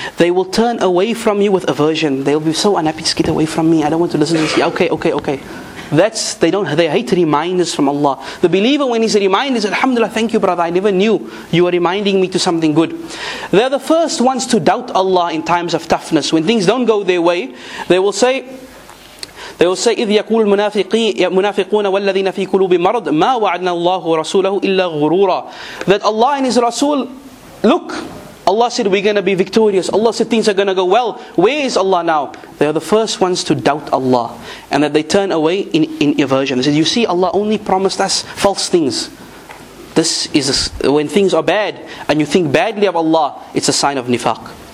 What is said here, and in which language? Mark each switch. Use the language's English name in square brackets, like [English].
[English] They will turn away from you with aversion. They'll be so unhappy. Just get away from me. I don't want to listen to this. Okay. That's, they hate reminders from Allah. The believer, when he's reminded, says, alhamdulillah, thank you brother, I never knew you were reminding me to something good. They're the first ones to doubt Allah in times of toughness. When things don't go their way, they will say, [Arabic] إِذْ يَقُولُ الْمُنَافِقُونَ وَالَّذِينَ فِي قُلُوبِ مَرَضٍ مَا وَعَدْنَا اللَّهُ وَرَسُولَهُ إِلَّا غُرُورًا. [English] That Allah and His Rasul, look, Allah said, we're going to be victorious. Allah said, things are going to go well. Where is Allah now? They are the first ones to doubt Allah. And that they turn away in aversion. They said, you see, Allah only promised us false things. This is when things are bad, and you think badly of Allah, it's a sign of nifaq.